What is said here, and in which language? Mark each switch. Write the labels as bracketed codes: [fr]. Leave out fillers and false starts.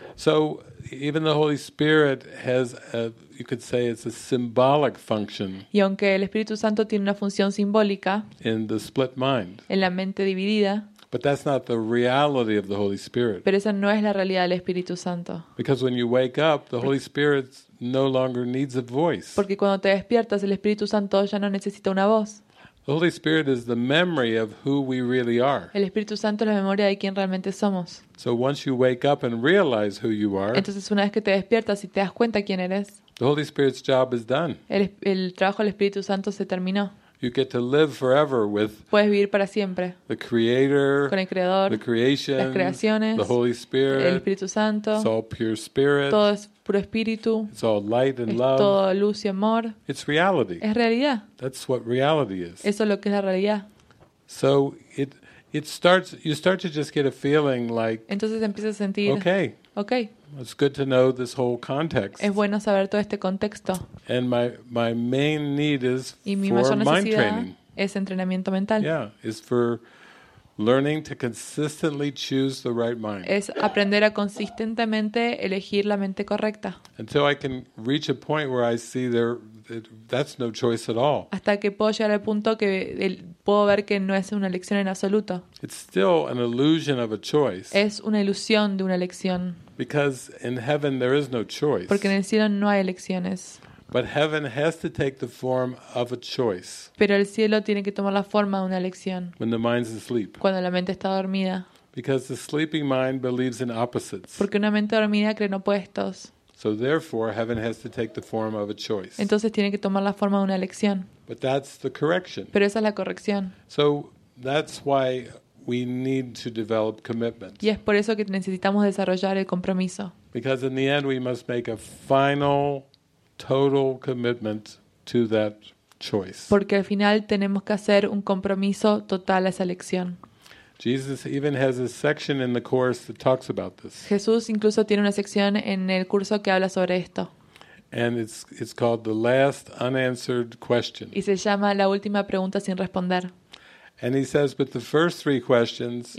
[en] So even the Holy Spirit has a, you could say it's a symbolic function. [es] Y aunque el Espíritu Santo tiene una función simbólica [en] in the split mind. [es] En la mente dividida. [en] But that's not the reality of the Holy Spirit. [es] Pero esa no es la realidad del Espíritu Santo. [en] Because when you wake up, the Holy Spirit no longer needs a voice. [es] Porque cuando te despiertas, el Espíritu Santo ya no necesita una voz. [en] The Holy Spirit is the memory of who we really are. [es] El Espíritu Santo es la memoria de quién realmente somos. [en] So once you wake up and realize who you are. [es] Entonces una vez que te despiertas y te das cuenta quién eres. [en] The Holy Spirit's job is done. [es] El trabajo del Espíritu Santo se terminó. [en] You get to live forever with. [es] Puedes vivir para siempre. [en] The Creator. [es] Con el Creador. [en] The creation. [es] Las creaciones. [en] The Holy Spirit. [es] El Espíritu Santo. [en] It's all pure spirit. [es] Todo es puro espíritu. [en] It's all light and love. [es] Todo luz y amor. [en] It's reality. [es] Es realidad. [en] That's what reality is. [es] Eso es lo que es la realidad. [en] So it starts. You start to just get a feeling like. [es] Entonces empiezas a sentir. [en] Okay. [es] Okay. [en] It's good to know this whole context. [es] Es bueno saber todo este contexto. [en] And my main need is for mind training. [es] Es entrenamiento mental. [en] Yeah, is for learning to consistently choose the right mind. [es] Es aprender a consistentemente elegir la mente correcta. [en] Until I can reach a point where I see that's no choice at all. [es] Hasta que puedo llegar al punto que puedo ver que no es una elección en absoluto. [en] It's still an illusion of a choice. [es] Es una ilusión de una elección. [en] Because in heaven there is no choice. [es] Porque en el cielo no hay elecciones. [en] But heaven has to take the form of a choice. [es] Pero el cielo tiene que tomar la forma de una elección. [en] When the mind's asleep. [es] Cuando la mente está dormida. [en] Because the sleeping mind believes in opposites. [es] Porque una mente dormida cree en opuestos. [en] So therefore, heaven has to take the form of a choice. [es] Entonces tiene que tomar la forma de una elección. [en] But that's the correction. [es] Pero esa es la corrección. [en] So that's why we need to develop commitment. [es] Y es por eso que necesitamos desarrollar el compromiso. [en] Because in the end, we must make a final, total commitment to that choice. [es] Porque al final tenemos que hacer un compromiso total a esa elección. [en] Jesus even has a section in the course that talks about this. [es] Jesús incluso tiene una sección en el curso que habla sobre esto. [en] And it's called the last unanswered question. [es] Y se llama la última pregunta sin responder. [en] And he says, but the first three questions.